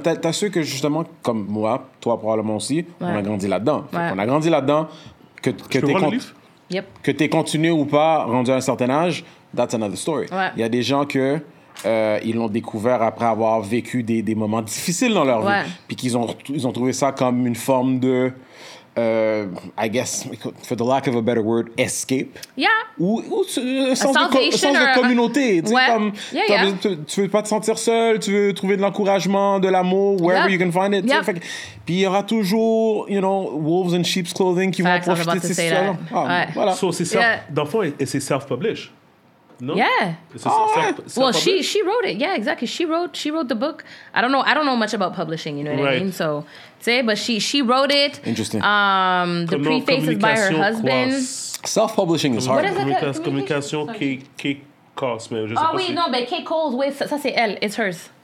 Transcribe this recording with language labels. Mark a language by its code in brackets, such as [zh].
[fr] T'as ceux que, justement, comme moi, toi probablement aussi, on a grandi là-dedans. Ouais. On a grandi là-dedans. Que tu que t'es continué ou pas, rendu à un certain âge, [en] that's another story. [fr] Ouais. Il y a des gens que... ils l'ont découvert après avoir vécu des moments difficiles dans leur vie. Puis qu'ils ont trouvé ça comme une forme de [en] I guess, for the lack of a better word, escape. Yeah. [fr] Ou un sens de communauté. Ouais. Comme, [en] yeah, yeah. [fr] Tu veux pas te sentir seul, tu veux trouver de l'encouragement, de l'amour, [en] wherever you can find it. Yep. [fr] Puis il y aura toujours, [en] you know, wolves in sheep's clothing [fr] qui vont profiter de ces situations. Voilà. So, c'est dans le fond, et c'est self-published. [en] No? Yeah. Self-published? she wrote it. Yeah, exactly. She wrote the book. I don't know much about publishing, you know what right. I mean? So, say, but she wrote it. Interesting. The preface is by her husband. Self-publishing is hard. What is it? Communication qui cost, man. Oh, wait, no, but Kate Cole's, wait, [fr] ça c'est elle. [en] It's hers.